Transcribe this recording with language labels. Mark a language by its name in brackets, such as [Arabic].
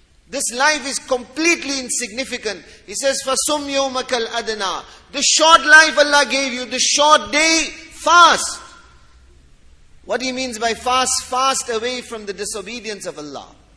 [English] This life is completely insignificant. He says, [Arabic] فَصُمْ يَوْمَكَ الْأَدْنَى. [English] The short life Allah gave you, the short day, fast. What he means by fast? Fast away from the disobedience of Allah.